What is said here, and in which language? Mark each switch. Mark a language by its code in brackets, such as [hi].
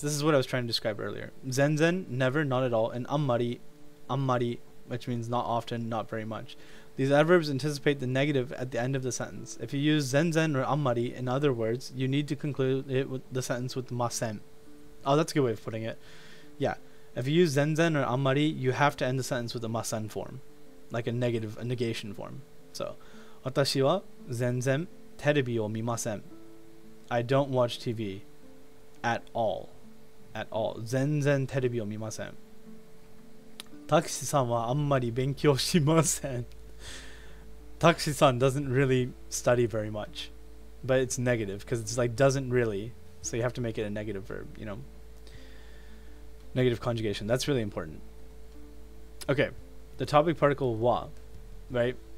[en] This is what I was trying to describe earlier. Zenzen, never, not at all, and ammari, which means not often, not very much. These adverbs anticipate the negative at the end of the sentence. If you use zenzen or amari, in other words, you need to conclude it with the sentence with masen. Oh, that's a good way of putting it. Yeah. If you use zenzen or amari, you have to end the sentence with a masen form. Like a negation form. [ja] So, 私は全然テレビを見ません。 [en] I don't watch TV at all. At all. [ja] 全然テレビを見ません。タクシーさんはあんまり勉強しません。 [en] Takushi-san doesn't really study very much, but it's negative because it's like doesn't really, so you have to make it a negative verb, you know. Negative conjugation, that's really important. Okay, the topic particle wa, right?